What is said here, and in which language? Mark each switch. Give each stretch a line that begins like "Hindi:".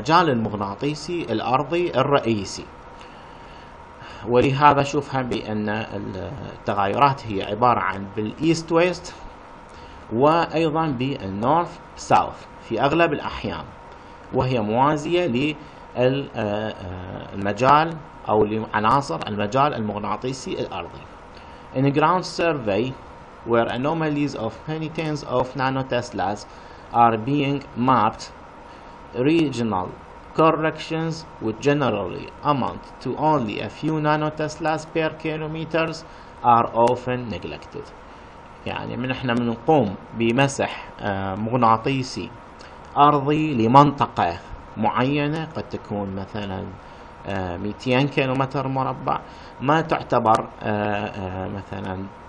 Arabic: المغناطيسي الأرضي الرئيسي، ولهذا شوفها بأن التغيرات هي عبارة عن
English: بالإيست-ويست
Arabic: وأيضا
English: بالنورث ساوث
Arabic: في أغلب الأحيان، وهي موازية للمجال أو لعناصر المجال المغناطيسي الأرضي.
English: In a ground survey where anomalies of many tens of nanoteslas are being mapped, regional corrections would generally amount to only a few nanoteslas per kilometers are often neglected.
Arabic: يعني من احنا من نقوم بمسح مغناطيسي ارضي لمنطقة معينة قد تكون مثلا 200 كيلو متر مربع ما تعتبر مثلا